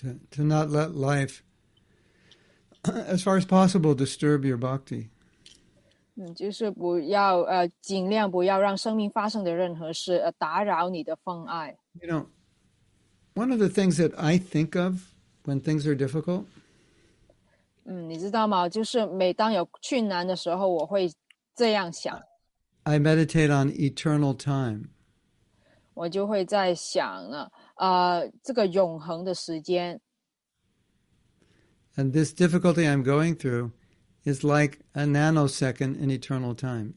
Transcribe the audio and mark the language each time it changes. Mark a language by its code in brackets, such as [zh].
[en] to not let life, as far as possible, disturb your bhakti. [zh] 就是不要尽量不要让生命发生的任何事打扰你的奉爱。 [en] You know, one of the things that I think of when things are difficult. [zh] 你知道吗？就是每当有困难的时候，我会这样想。 [en] I meditate on eternal time. [zh] 我就会在想，这个永恒的时间。 [en] And this difficulty I'm going through is like a nanosecond in eternal time.